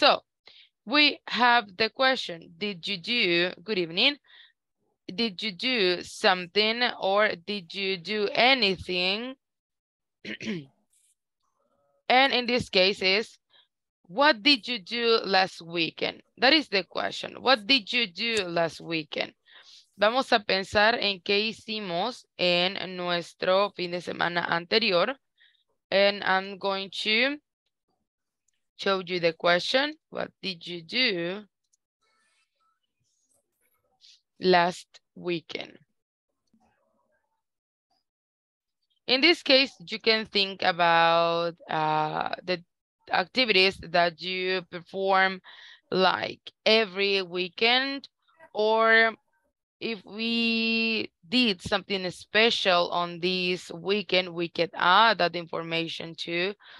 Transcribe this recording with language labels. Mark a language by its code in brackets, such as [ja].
[en] So we have the question, did you do, good evening, did you do something or did you do anything? And in this case is, what did you do last weekend? That is the question. What did you do last weekend? [es] Vamos a pensar en qué hicimos en nuestro fin de semana anterior. [en] And I'm going to show you the question. What did you do last weekend? In this case, you can think about the activities that you perform like every weekend, or if we did something special on this weekend, we could add that information too.